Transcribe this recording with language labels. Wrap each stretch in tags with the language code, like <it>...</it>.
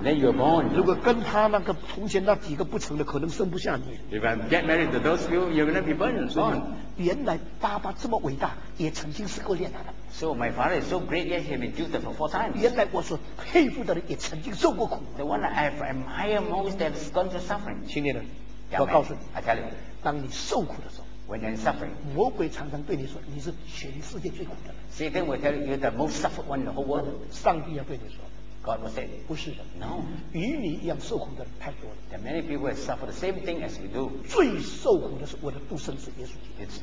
<en>And then you're born.</en> <zh>如果跟他那个从前那几个不成的，可能生不下你。</zh> <en>If I get married to those few, you're going to be born. 所</en> <zh>以，原来爸爸这么伟大，也曾经是个恋人。</zh> <en>So my father is so great, yet he has been jilted for four times.</en> <zh>原来我所佩服的人也曾经受过苦。</zh> <en>The one I admire most has gone through suffering.</en> <zh>青年人，我告诉你</zh> <en>，I tell you，</en> <zh>当你受苦的时候</zh> <en>，When you're suffering，</en> <zh>魔鬼常常对你说，你是全世界最苦的人。</zh> <en>Satan will tell you the most suffered one in the whole world.</en> <zh>上帝要对你说</zh> <en>，God will say，</en> <zh>不是的</zh> <en>，No，</en> <zh>与你一样受苦的人太多了。</zh> <en>There many people have suffered the same thing as you do.</en> <zh>最受苦的是我的独生子耶稣基督。</zh>